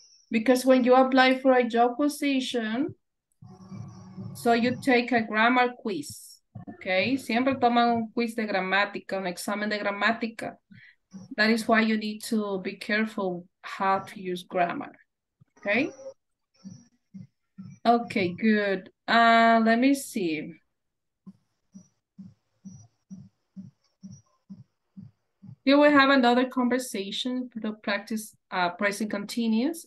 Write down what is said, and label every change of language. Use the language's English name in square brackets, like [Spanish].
[English] Because when you apply for a job position, so you take a grammar quiz, okay? [Spanish] Siempre toman un quiz de gramática, un examen de gramática. [English] That is why you need to be careful how to use grammar, okay? Okay, good. Let me see. Here we have another conversation to practice present continuous.